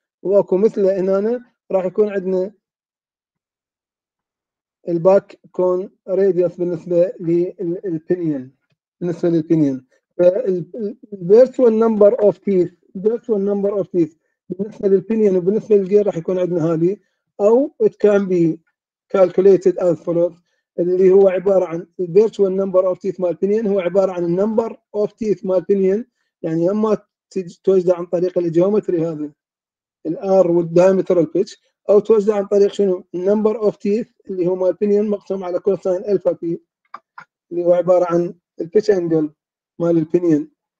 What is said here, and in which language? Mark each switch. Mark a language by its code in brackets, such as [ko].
[ar] وأكو مثله هنا راح يكون عندنا الباكون راديوس بالنسبة للبنين. بالنسبة للبنين. فالفيرتوال نمبر أوف تيث. الفيرتوال نمبر أوف تيث بالنسبة للبنين وبالنسبة للجير راح يكون عندنا هذه. [en] أو it can be calculated as follows. [ar] اللي هو عبارة عن virtual number of teeth مال pinion هو عبارة عن number of teeth مال pinion. يعني أما توجد عن طريق الجيومتري هذا الار والدايمتر البيتش أو توجد عن طريق شنو number of teeth اللي هو مال pinion مقسم على كوساين الفا بي اللي هو عبارة عن البيتش انجل مال pinion.